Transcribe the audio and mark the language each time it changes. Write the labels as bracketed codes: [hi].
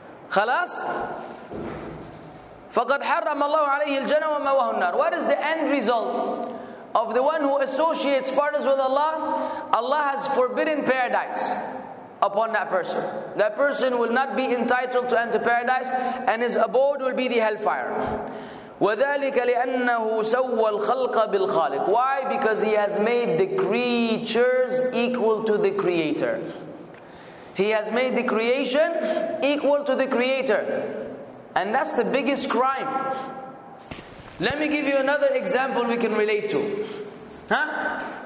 [ar] خلاص فقد حرم الله عليه الجنة وما وهو النار. [en] What is the end result of the one who associates partners with Allah? Allah has forbidden paradise upon that person. That person will not be entitled to enter paradise, and his abode will be the hellfire. [ar] وذلك لأنه سوى الخلق بالخالق. [en] Why? Because he has made the creatures equal to the Creator. He has made the creation equal to the Creator. And that's the biggest crime. Let me give you another example we can relate to. Huh?